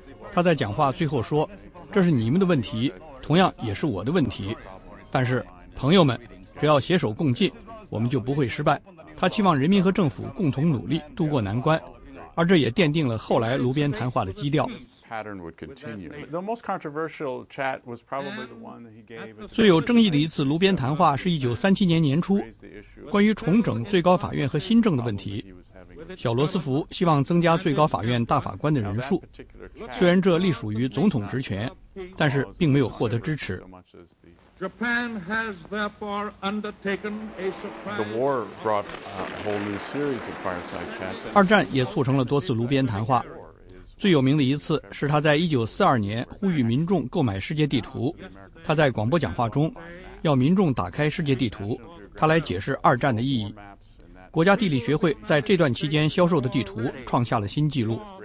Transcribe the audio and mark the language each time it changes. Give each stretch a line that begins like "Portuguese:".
Chinese: 他在讲话最后说，这是你们的问题，同样也是我的问题，但是朋友们，只要携手共进，我们就不会失败。他期望人民和政府共同努力渡过难关，而这也奠定了后来炉边谈话的基调。
English: pattern would continue. The most controversial chat was probably the one that he gave.
Chinese: 最有争议的一次炉边谈话是1937年年初，关于重整最高法院和新政的问题。小罗斯福希望增加最高法院大法官的人数，虽然这隶属于总统职权，但是并没有获得支持。
English: Japan has therefore undertaken a surprise. The war brought a whole new series of fireside chats.
Chinese: 二战也促成了多次炉边谈话，最有名的一次是他在1942年呼吁民众购买世界地图。他在广播讲话中，要民众打开世界地图，他来解释二战的意义。国家地理学会在这段期间销售的地图创下了新纪录。